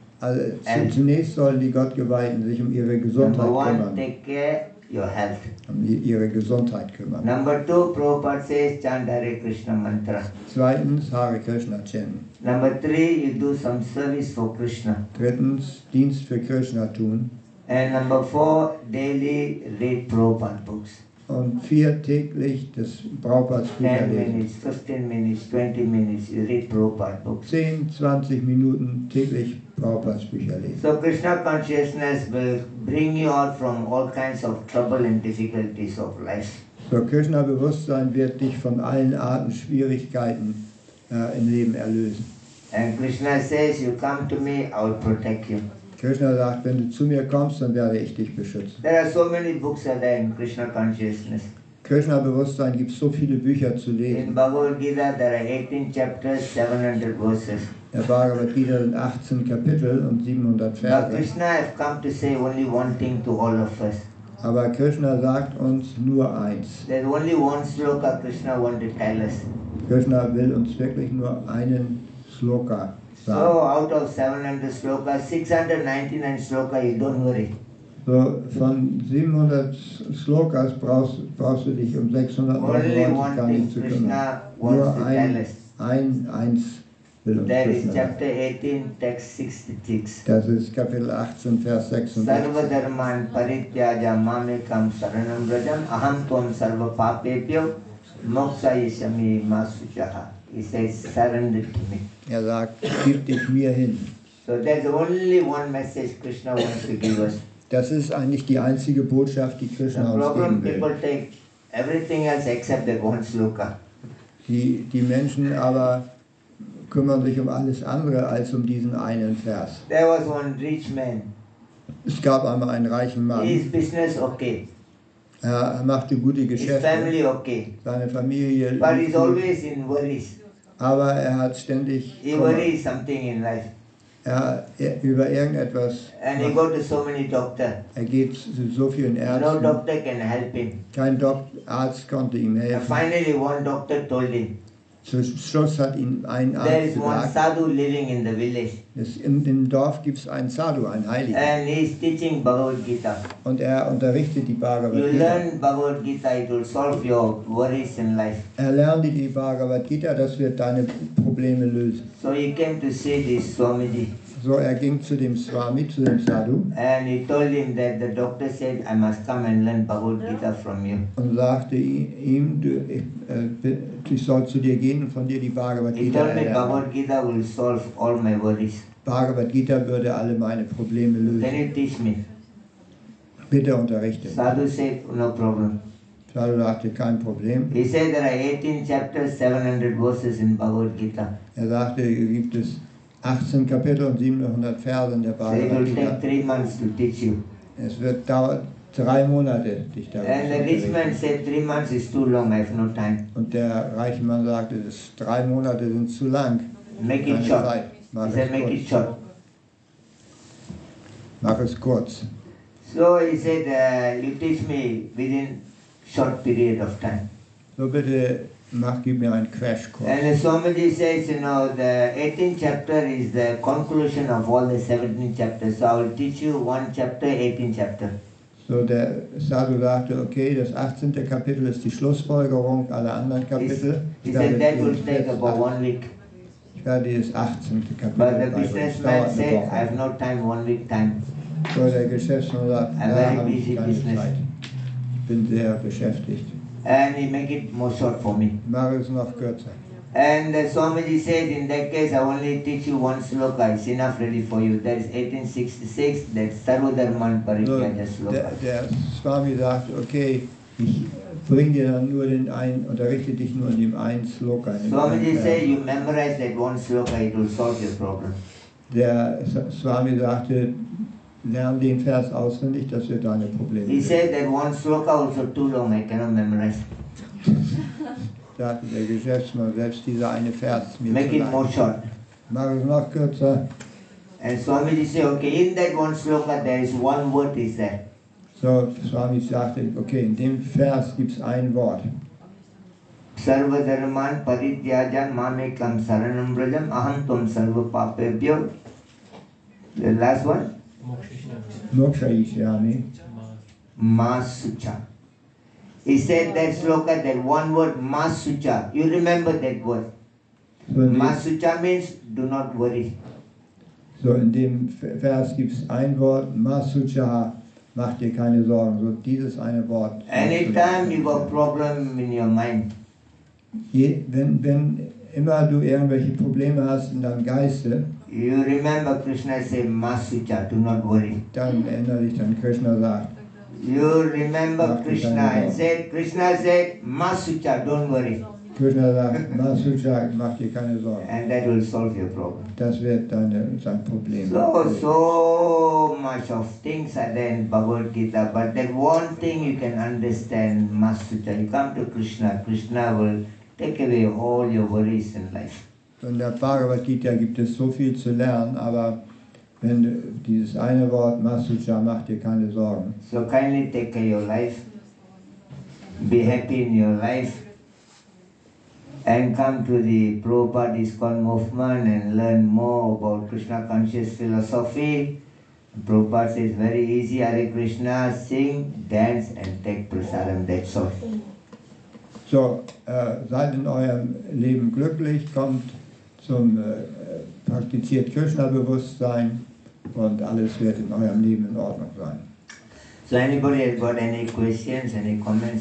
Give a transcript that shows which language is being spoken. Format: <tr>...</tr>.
<en>Also health.</en> <de>Zunächst sollen die Gottgeweihten sich um ihre Gesundheit</de> <en>number</en> <de>kümmern.</de> <en>Number one, take care your health.</en> <de>Ihre Gesundheit kümmern.</de> <en>Number two, Prabhupada says, chant Hare Krishna mantra.</en> <de>Zweitens, Hare Krishna chanten.</de> <en>Number three, you do some service for Krishna.</en> <de>Drittens, Dienst für Krishna tun.</de> <en>And number four, daily read Prabhupada books.</en> <de>Und vier, täglich das Prabhupada Bücher lesen.</de> <en>10 minutes, 15 minutes, 20 minutes, you read Prabhupada books.</en> <de>10, 20 Minuten täglich Prabhupada Bücher lesen.</de> <en>So Krishna consciousness will bring you out from all kinds of trouble and difficulties of life.</en> <de>So Krishna Bewusstsein wird dich von allen Arten Schwierigkeiten im Leben erlösen.</de> <en>And Krishna says, you come to me, I will protect you.</en> <de>Krishna sagt, wenn du zu mir kommst, dann werde ich dich beschützen.</de> <en>There are so many books are there in Krishna consciousness.</en> <de>Krishna Bewusstsein gibt so viele Bücher zu lesen.</de> <en>In Bhagavad Gita there are 18 chapters, 700 verses.</en> <de>Der Bhagavad Gita sind 18 Kapitel und 700 Verse.</de> <en>But Krishna has come to say only one thing to all of us.</en> <de>Aber Krishna sagt uns nur eins.</de> <en>There's only one sloka Krishna wants to tell us.</en> <de>Krishna will uns wirklich nur einen Sloka.</de> <en>So out of 700 slokas, 699 slokas, you don't worry.</en> <de>So von 700 slokas brauchst du dich um 699 gar nicht zu kümmern.</de> <en>Only one thing Krishna wants to tell us.</en> <de>Eins will uns</de> <en>Krishna. That is chapter 18, text 66.</en> <de>Das ist Kapitel 18, Vers 66.</de> <sa>Sarva dharman parityaja mamekam saranam rajam aham tvam sarva papepyo moksha yishami masuchaha.</sa> <en>He says, surrender to me.</en> <de>Er sagt, gib dich mir hin.</de> <en>So there's only one message Krishna wants to give us.</en> <de>Das ist eigentlich die einzige Botschaft, die Krishna uns geben will.</de> <en>People take everything else except their own sloka.</en> <de>Die Menschen aber kümmern sich um alles andere als um diesen einen Vers.</de> <en>There was one rich man.</en> <de>Es gab einmal einen reichen Mann.</de> <en>His business okay.</en> <de>Er machte gute Geschäfte.</de> <en>His family okay.</en> <de>Seine Familie.</de> <en>But he's always in worries.</en> <de>Aber er hat ständig</de> <en>he worries something in life.</en> <de>Über irgendetwas.</de> <en>And he go to so many doctors.</en> <de>Er geht zu so vielen Ärzten.</de> <en>No doctor can help him.</en> <de>Kein Arzt konnte ihm helfen.</de> <en>And finally one doctor told him.</en> <de>Zum Schluss hat ihn ein Arzt</de> <en>There is one sadhu living in the village.</en> <de>In dem Dorf gibt es einen Sadhu, einen Heiligen.</de> <en>And he is teaching Bhagavad Gita.</en> <de>Und er unterrichtet die Bhagavad Gita.</de> <en>You learn Bhagavad Gita, it will solve your worries in life.</en> <de>Er lernt die Bhagavad Gita, das wird deine Probleme lösen.</de> <en>So he came to see this Swamiji.</en> <de>So er ging zu dem Swami, zu dem Sadhu.</de> <en>And he told him that the doctor said, I must come and learn Bhagavad Gita from you.</en> <de>Und sagte ihm, ich soll zu dir gehen und von dir die Bhagavad Gita erlernen.</de> <en>He told me Bhagavad Gita will solve all my worries.</en> <de>Bhagavad Gita würde alle meine Probleme lösen.</de> <en>Then he teach me.</en> <de>Bitte unterrichte.</de> <en>Sadhu said, no problem.</en> <de>Prabhupada sagte, kein Problem.</de> <en>He said there are 18 chapters, 700 verses in Bhagavad Gita.</en> <de>Er sagte, gibt es 18 Kapitel und 700 Verse in der Bhagavad Gita.</de> <en>So it will take 3 months to teach you.</en> <de>Es wird dauern 3 Monate, dich da.</de> <en>And the rich man said, 3 months is too long. I have no time.</en> <de>Und der reiche Mann sagte, 3 Monate sind zu lang.</de> <en>Make it short. He said, make it short.</en> <de>Mach es kurz.</de> <en>So he said, you teach me within short period of time.</en> <de>So bitte, gib mir einen Crashkurs.</de> <en>And the Swamiji says, you know, the 18th chapter is the conclusion of all the 17 chapters. So I will teach you one chapter, 18 chapter.</en> <de>So der Sadhu sagte, okay, das 18. Kapitel ist die Schlussfolgerung aller anderen Kapitel.</de> <en>He said, that will take about 1 week.</en> <de>Ich werde dieses 18. Kapitel.</de> <en>But the businessman said, I have no time, 1 week time.</en> <de>So der Geschäftsmann sagt,</de> <en>I'm very busy business.</en> <de>Zeit. Ich bin sehr beschäftigt.</de> <en>And he make it more short for me.</en> <de>Mach es noch kürzer.</de> <en>And the Swamiji said, in that case, I only teach you one sloka. It's enough ready for you. That is 1866, that's Sarvadharman Parikyaja sloka.</en> <de>Der Swami sagt, okay, ich bring dir dann nur den einen, unterrichte dich nur in dem einen Sloka.</de> <en>Swamiji said, you memorize that one sloka, it will solve your problem.</en> <de>Der Swami sagte, lern den Vers auswendig, das wird deine Probleme.</de> <en>He said, that one sloka also too long, I cannot memorize.</en> <de>Sagte der Geschäftsmann, selbst dieser eine Vers mir</de> <en>make</en> <de>zu</de> <en>it more short.</en> <de>Mach es noch kürzer.</de> <en>And Swamiji said, okay, in that one sloka, there is one word, is there.</en> <de>So Swami sagte, okay, in dem Vers gibt es ein Wort.</de> <sa>Sarva dharman parityaja mamekam saranam brajam aham tvam sarva papebhyo.</sa> <en>The last one.</en> <sa>Moksha ishyami. Masucha.</sa> <en>He said that sloka, that one word, masucha. You remember that word. So masucha means do not worry.</en> <de>So in dem Vers gibt es ein Wort, masucha. Mach dir keine Sorgen, so dieses eine Wort.</de> <en>Anytime you got problem in your mind.</en> <de>Wenn immer du irgendwelche Probleme hast in deinem Geiste,</de> <en>you remember Krishna say, Masucha, do not worry.</en> <de>Dann erinnere dich an Krishna sagt.</de> <en>You remember Krishna said, Krishna said, Masucha, don't worry.</en> <de>Krishna sagt, Masucha, mach dir keine Sorgen.</de> <en>And that will solve your problem.</en> <de>Das wird dein Problem.</de> <en>So much of things are there in Bhagavad Gita, but that one thing you can understand, Masucha, you come to Krishna, Krishna will take away all your worries in life.</en> <de>In der Bhagavad Gita gibt es so viel zu lernen, aber wenn dieses eine Wort, Masucha, mach dir keine Sorgen.</de> <en>So kindly take care of your life, be happy in your life, and come to the Prabhupada ISKCON movement and learn more about Krishna conscious philosophy. Prabhupada says very easy, Hare Krishna, sing, dance and take prasadam, that's all.</en> <de>So, seid in eurem Leben glücklich, kommt zum praktiziert Krishna-Bewusstsein und alles wird in eurem Leben in Ordnung sein.</de> <en>So anybody has got any questions, any comments?</en>